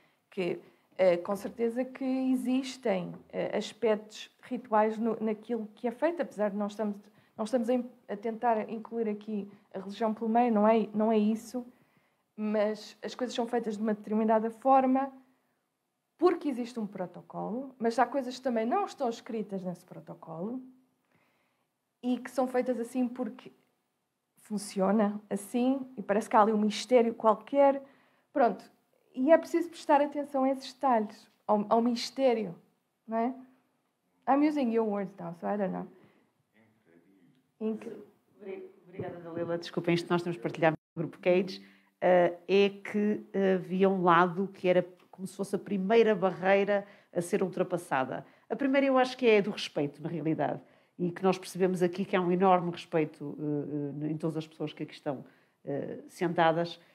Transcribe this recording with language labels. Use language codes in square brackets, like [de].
[pt] Que, com certeza que existem aspectos rituais naquilo que é feito, apesar de não estamos a tentar incluir aqui a religião pelo meio, não é isso, mas as coisas são feitas de uma determinada forma porque existe um protocolo, mas há coisas que também não estão escritas nesse protocolo e que são feitas assim porque funciona assim e parece que há ali um mistério qualquer. Pronto, e é preciso prestar atenção a esses detalhes, ao mistério, não é? [en] I'm using your words now, so I don't know. [pt] Obrigada, Dalila. Desculpem, isto nós temos partilhado no grupo Cage. É que havia um lado que era como se fosse a primeira barreira a ser ultrapassada. A primeira eu acho que é do respeito, na realidade. E que nós percebemos aqui que há um enorme respeito em todas as pessoas que aqui estão sentadas.